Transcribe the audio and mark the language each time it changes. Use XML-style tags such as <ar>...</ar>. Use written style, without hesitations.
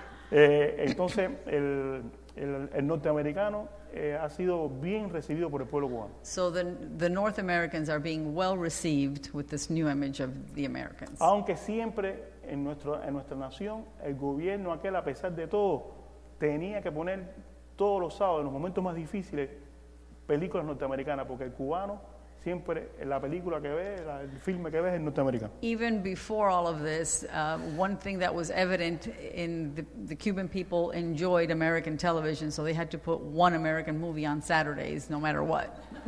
<es>Entonces, el norteamericano ha sido bien recibido por el pueblo cubano.</es> <en>So the North Americans are being well received with this new image of the Americans.</en> <es>Aunque siempre en nuestra nación, el gobierno aquel, a pesar de todo, tenía que poner todos los sábados, en los momentos más difíciles, películas norteamericanas, porque el cubano siempre la película que ve, el filme que ve es norteamericano.</es> <en>Even before all of this, one thing that was evident in the Cuban people enjoyed American television, so they had to put one American movie on Saturdays, no matter what.</en>